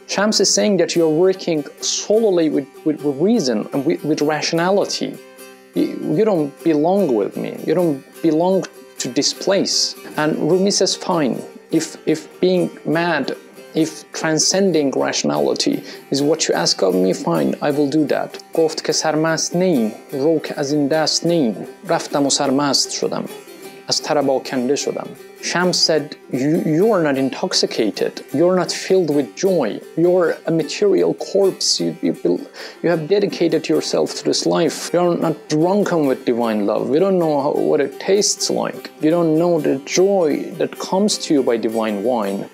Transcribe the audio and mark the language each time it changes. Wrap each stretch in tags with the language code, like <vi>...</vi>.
<en>Shams is saying that you're working solely with reason and with rationality. You don't belong with me, you don't belong to this place. And Rumi says, fine, if being mad, if transcending rationality is what you ask of me, fine, I will do that.</en> <fa>گفت که سرمست نیم، رو که از این دست نیم، رفتم و سرمست شدم، از طرب آکنده شدم.</fa> <en>Shams said, you are not intoxicated, you're not filled with joy, you're a material corpse, you have dedicated yourself to this life, you're not drunken with divine love, you don't know what it tastes like, you don't know the joy that comes to you by divine wine.</en>